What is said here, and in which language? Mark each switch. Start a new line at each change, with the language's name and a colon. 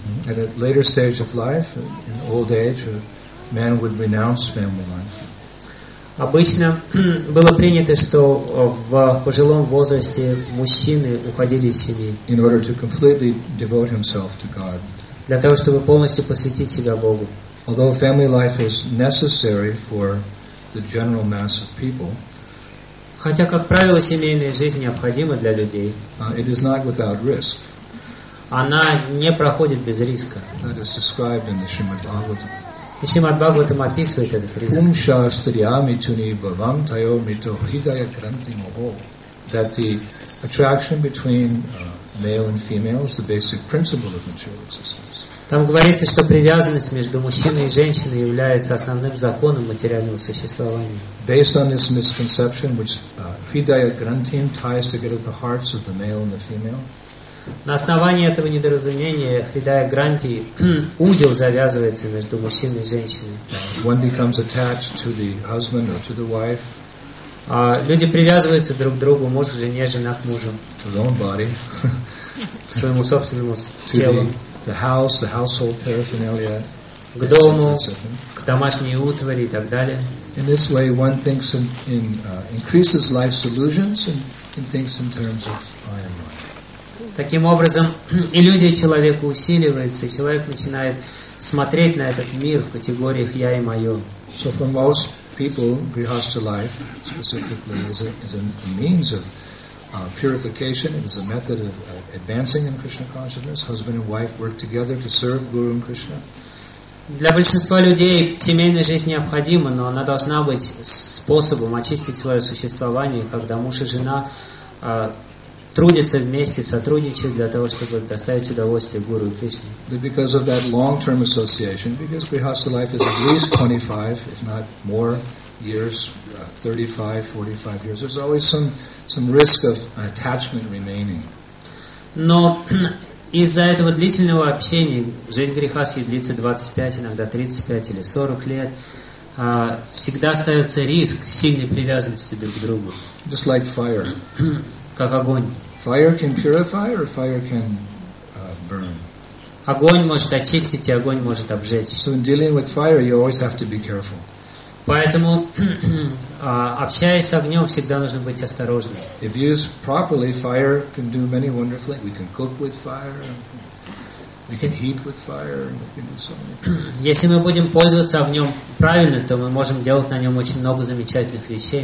English: At a later stage of life, in old age, a man would renounce family life.
Russian: Обычно было принято, что в пожилом возрасте мужчины уходили из семьи.
English: In order to completely devote himself to God.
Russian: Для того, чтобы полностью посвятить себя Богу.
English: Although family life is necessary for the general mass of people,
Russian: хотя, как правило, семейная жизнь необходима для людей,
English: it is not without risk.
Russian: Она не проходит без риска.
English: That is described in the Shrimad Bhagavatam.
Russian: И Шримад Бхагаватам описывает этот риск.
Sanskrit: Ум шастриями туни бхавам тайо мито хридая кранти мохо.
English: That the attraction between male and female is the basic principle of material existence.
Russian: Там говорится, что привязанность между мужчиной и женщиной является основным законом материального существования.
English: Based on this misconception, which Fidya Grantham ties together the hearts of the male and the female.
Russian: На основании этого недоразумения Фридая Гранти узел завязывается между мужчиной и женщиной.
English: One becomes attached to the husband or to the wife.
Russian: Люди привязываются друг к другу, муж к жене, жена к мужу.
English: To their own body.
Russian: К своему собственному to телу.
English: The house, the household paraphernalia.
Russian: К дому, к домашней утвари и так далее.
English: In this way, one thinks increases life's illusions and thinks in terms of I am mine.
Russian: Таким образом, иллюзия человека усиливается, и человек начинает смотреть на этот мир в категориях «я» и «моё».
English: So for most people, grihastha life specifically is a means of purification. It is a method of advancing in Krishna consciousness. Husband and wife work together to serve Guru and Krishna.
Russian: Для большинства людей семейная жизнь необходима, но она должна быть способом очистить свое существование, когда муж и жена трудиться вместе, сотрудничать для того, чтобы доставить удовольствие Гуру и Кришне.
English: But because of that long-term association, because grihastha life is at least 25, if not more, years, 35, 45 years, there's always some risk of attachment remaining.
Russian: Но из-за этого длительного общения, жизнь грихасхи длится 25, иногда 35 или 40 лет, всегда остается риск сильной привязанности друг к другу.
English: Just like fire.
Russian: Как огонь.
English: Fire can purify or fire can burn.
Russian: Огонь может очистить и огонь может обжечь.
English: So in dealing with fire, you always have to be careful.
Russian: Поэтому общаясь с огнем, всегда нужно быть осторожным.
English: If used properly, fire can do many wonderful things. We can cook with fire. We can heat with fire. We can do so many things.
Russian: Если мы будем пользоваться огнем правильно, то мы можем делать на нем очень много замечательных вещей.